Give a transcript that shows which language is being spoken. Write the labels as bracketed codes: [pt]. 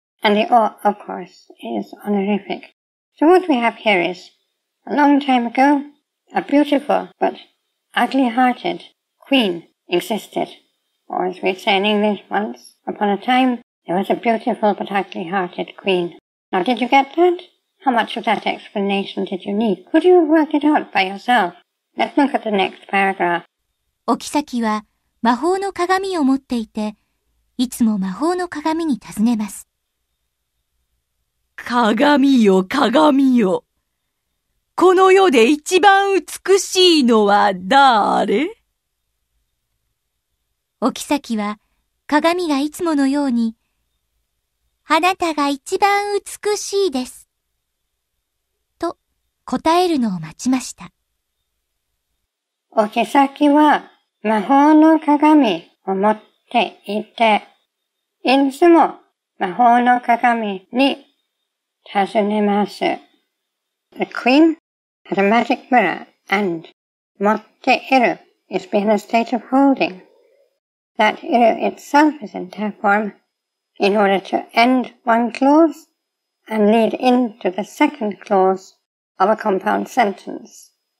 [en] And the o, of course, is honorific. So what we have here is, a long time ago, a beautiful but ugly-hearted queen existed. Or as we say in English, once upon a time, there was a beautiful but ugly-hearted queen. Now did you get that? How much of that explanation did you need? Could you have worked it out by yourself? Let's look at the next paragraph. [ja] お妃は魔法の鏡を持っていて、いつも魔法の鏡に尋ねます。鏡よ、鏡よ。この世で一番美しいのは誰？お妃は鏡がいつものように、あなたが一番美しいです。と答えるのを待ちました。お妃は魔法の鏡を持っていて、いつも魔法の鏡に尋ねます。 [en] The queen had a magic mirror and 持っている is being a state of holding. That iru itself is in tag form in order to end one clause and lead into the second clause of a compound sentence.